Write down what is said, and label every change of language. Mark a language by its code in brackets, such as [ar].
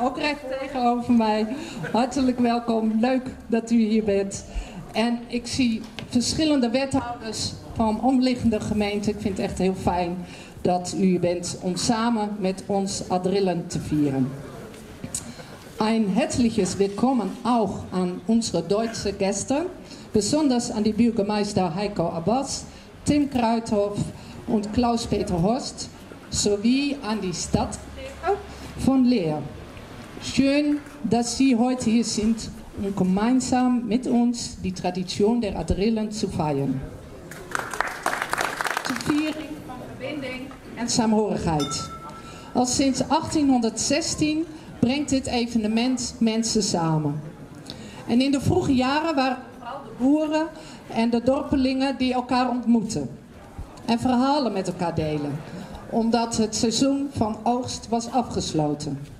[nl] Ook recht tegenover mij. Hartelijk welkom. Leuk dat u hier bent. En ik zie verschillende wethouders van omliggende gemeenten. Ik vind het echt heel fijn dat u hier bent om samen met ons Adrillen te vieren. [de] Ein herzliches Willkommen auch an unsere deutsche Gäste, besonders an die Bürgermeister Heiko Abbas, Tim Kruithof und Klaus-Peter Horst, sowie an die Stadt von Leer. Schön, dass Sie heute hier sind, um gemeinsam mit uns die Tradition der Adrillen zu feiern. [nl] Zu Viering von Verbinding und Samenhorigkeit. Als sinds 1816 brengt dit evenement mensen samen. En in de vroege jaren waren vooral de boeren en de dorpelingen die elkaar ontmoeten en verhalen met elkaar delen, omdat het seizoen van oogst was afgesloten.